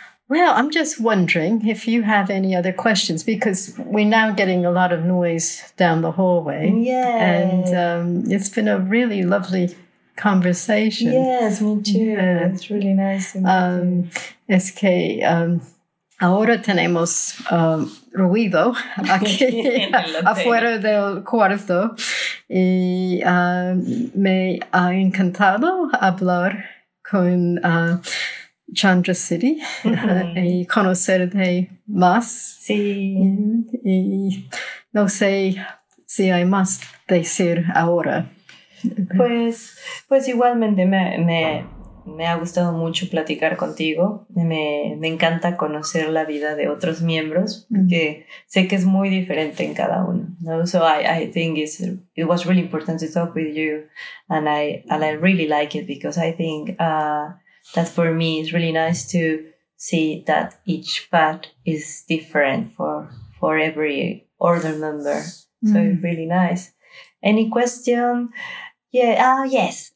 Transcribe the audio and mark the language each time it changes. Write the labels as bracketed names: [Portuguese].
[English] Well, I'm just wondering if you have any other questions, because we're now getting a lot of noise down the hallway. Yeah. And it's been a really lovely conversation. Yes, me too. It's really nice. [Spanish] Es que ahora tenemos ruido aquí afuera del cuarto, y me ha encantado hablar con Chandra City y conocerte más. Sí. Y no sé si hay más decir ahora. Pues igualmente me ha gustado mucho platicar contigo. Me encanta conocer la vida de otros miembros, porque sé que es muy diferente en cada uno, ¿no? [English] So I think it was really important to talk with you, and I really like it, because I think that for me it's really nice to see that each path is different for every order member. So it's really nice. Any question? Yeah. Yes.